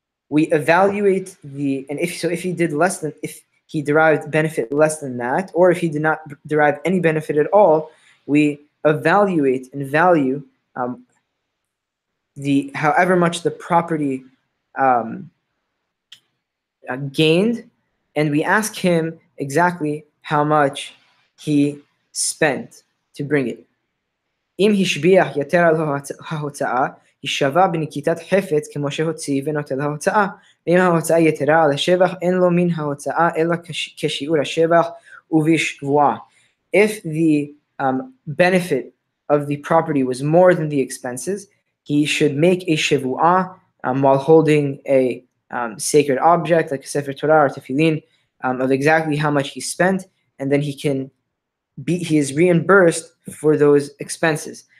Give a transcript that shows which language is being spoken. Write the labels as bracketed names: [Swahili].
[English] We evaluate if he derived benefit less than that, or if he did not derive any benefit at all, we evaluate and value however much the property gained. And we ask him exactly how much he spent to bring it. [Hebrew] אם השביח יתר על ההוצאה, יישבה בנקיטת חפץ כמו שהוציא ונוטל ההוצאה. ואם ההוצאה יתרה על השבח, אין לו מין ההוצאה אלא כשיעור השבח ובשבועה. [English] If the benefit of the property was more than the expenses, he should make a shevua while holding a sacred object like a sefer Torah or tefillin of exactly how much he spent, and then he is reimbursed for those expenses.